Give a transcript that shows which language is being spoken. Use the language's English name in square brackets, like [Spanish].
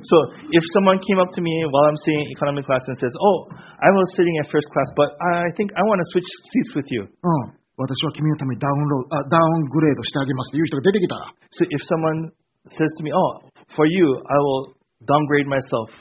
[English] So if someone came up to me while I'm sitting in economy class and says, Oh, I was sitting in first class, but I think I want to switch seats with you. [Japanese] 私は君のためにダウングレードしてあげますっていう人が出てきたら、 [English] So if someone says to me, Oh, for you, I will downgrade myself.